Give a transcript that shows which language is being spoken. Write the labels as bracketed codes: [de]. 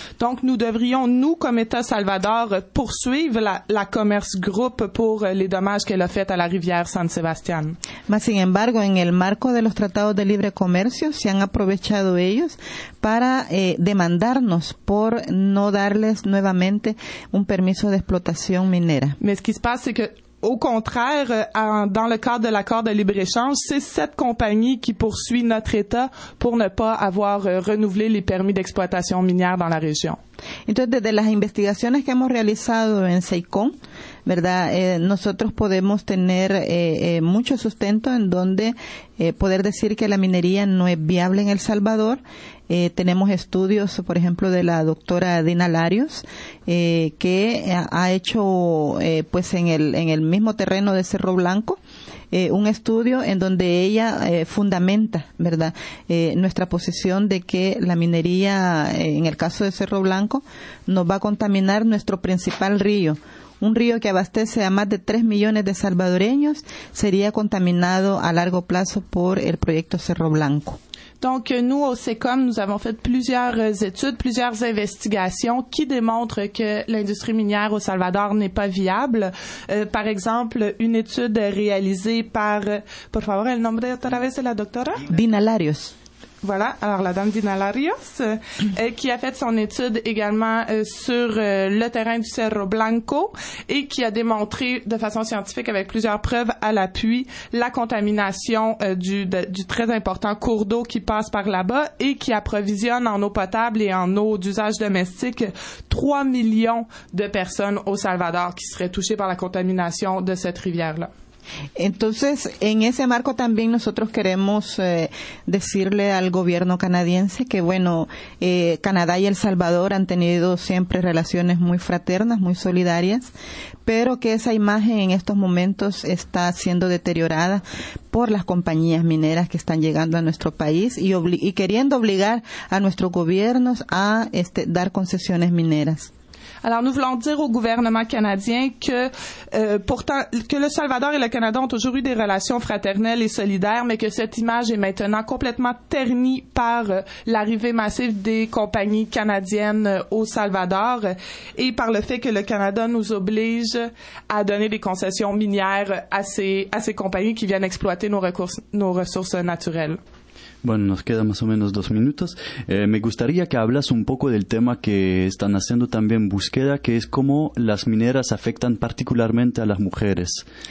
[fr] Donc, nous devrions, nous, comme État Salvador, poursuivre la Commerce Group por les dommages qu'elle a fait à la rivière San Sebastián. [es] Mas, sin embargo, en el marco de los tratados de libre comercio, se han aprovechado ellos para demandarnos por no darles nuevamente un permiso de explotación minera. [fr] Mais ce qui se passe, c'est que au contraire, dans le cadre de l'accord de libre-échange, c'est cette compagnie qui poursuit notre État pour ne pas avoir renouvelé les permis d'exploitation minière dans la région. [es] Entonces, desde las investigaciones que hemos realizado en SEICOM, ¿verdad? Nosotros podemos tener mucho sustento en donde poder decir que la minería no es viable en El Salvador. Tenemos estudios, por ejemplo, de la doctora Dina Larios, que ha hecho, pues, en el mismo terreno de Cerro Blanco, un estudio en donde ella fundamenta, ¿verdad?, nuestra posición de que la minería, en el caso de Cerro Blanco, nos va a contaminar nuestro principal río. Un río que abastece a más de 3 millones de salvadoreños sería contaminado a largo plazo por el proyecto Cerro Blanco. [fr] Donc, nous, au SECOM, nous avons fait plusieurs études, plusieurs investigations qui démontrent que l'industrie minière au Salvador n'est pas viable. Par exemple, une étude réalisée par... [es] Por favor, el nombre otra vez de la doctora? Dina Larios. [fr] Voilà, alors la dame Dina Larios, qui a fait son étude également sur le terrain du Cerro Blanco et qui a démontré de façon scientifique avec plusieurs preuves à l'appui la contamination du très important cours d'eau qui passe par là-bas et qui approvisionne en eau potable et en eau d'usage domestique 3 millions de personnes au Salvador qui seraient touchées par la contamination de cette rivière-là. [es] Entonces, en ese marco también nosotros queremos decirle al gobierno canadiense que, bueno, Canadá y El Salvador han tenido siempre relaciones muy fraternas, muy solidarias, pero que esa imagen en estos momentos está siendo deteriorada por las compañías mineras que están llegando a nuestro país y queriendo obligar a nuestros gobiernos a dar concesiones mineras. [fr] Alors, nous voulons dire au gouvernement canadien que pourtant que le Salvador et le Canada ont toujours eu des relations fraternelles et solidaires, mais que cette image est maintenant complètement ternie par l'arrivée massive des compagnies canadiennes au Salvador et par le fait que le Canada nous oblige à donner des concessions minières à ces compagnies qui viennent exploiter nos ressources naturelles. [es] Bueno, nos quedan más o menos 2 minutos. Me gustaría que hablas un poco del tema que están haciendo también búsqueda, que es cómo las mineras afectan particularmente a las mujeres.